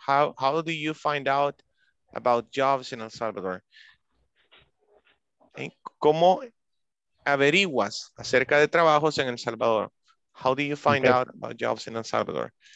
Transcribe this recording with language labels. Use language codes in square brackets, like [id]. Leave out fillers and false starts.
[en] How do you find out about jobs in El Salvador? [es] ¿Cómo averiguas acerca de trabajos en El Salvador? [en] How do you find out about jobs in El Salvador?